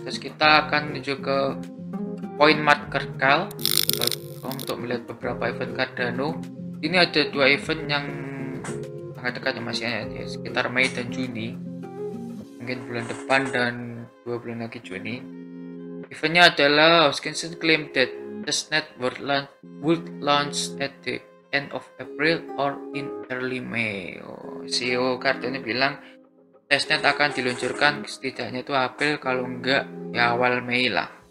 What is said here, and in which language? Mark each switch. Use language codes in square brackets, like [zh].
[id] Terus kita akan menuju ke coinmarketcap.com untuk melihat beberapa event Cardano. Ini ada dua event yang sangat dekat masih ya, sekitar Mei dan Juni, mungkin bulan depan dan dua bulan lagi Juni. Eventnya adalah [en] Hoskinson claim that testnet would launch at the end of April or in early May. [id] CEO Cardano bilang testnet akan diluncurkan setidaknya itu April, kalau enggak ya awal Mei lah.